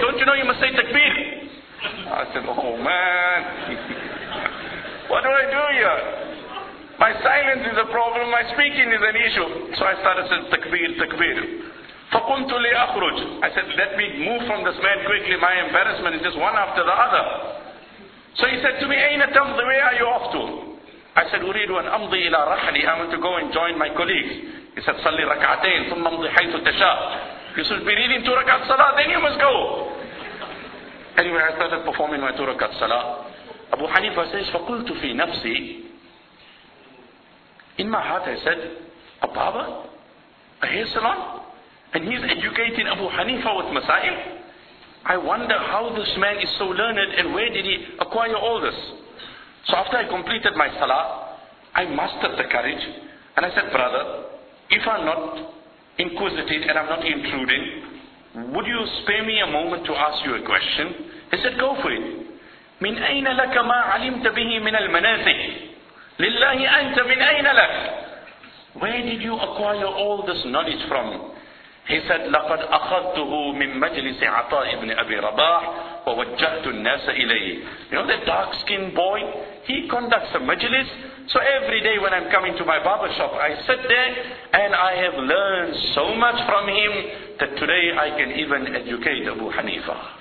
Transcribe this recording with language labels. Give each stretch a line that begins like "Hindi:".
English: Don't you know you must say takbir? I said, oh man. What do I do here? My silence is a problem, my speaking is an issue. So I started saying takbir, takbir.
Arabic: فَقُمْتُ لِأَخْرُجْ.
English: I said, let me move from this man quickly. My embarrassment is just one after the other. So he said to me,
Arabic: أَيْنَ تَمْضِ.
English: Where are you off to? I said,
Arabic: أُرِيدُ أَنْ أَمْضِي إِلَى رَحْلِي.
English: I want to go and join my colleagues. He said,
Arabic: صَلِّ رَكْعَتَيْنِ ثُمَّ أَمْضِي حَيْثُ تَشَاءُ.
English: You should be reading 2 rakat salah, then you must go. Anyway, I started performing my 2 rakat salah. Abu Hanifa says,
Arabic: فَقُلْتُ فِي نَفْسِي.
English: In my heart I said, a barber? A hair salon? And he's educating Abu Hanifa with masail? I wonder how this man is so learned and where did he acquire all this? So after I completed my salah, I mustered the courage and I said, brother, if I'm not inquisitive and I'm not intruding, would you spare me a moment to ask you a question? He said, go for it.
Arabic: مِنْ أَيْنَ لَكَ مَا عَلِمْتَ بِهِ مِنَ الْمَنَازِحِ لِلَّهِ أَنْتَ مِنْ أَيْنَ لَكَ.
English: Where did you acquire all this knowledge from? He said,
Arabic: لَقَدْ أَخَذْتُهُ مِنْ مَجْلِسِ عَطَى إِبْنِ أَبِي رَبَاحٍ وَوَجَّهْتُ النَّاسَ إِلَيْهِ.
English: You know that dark-skinned boy? He conducts a majlis. So every day when I'm coming to my barber shop, I sit there and I have learned so much from him that today I can even educate Abu Hanifa.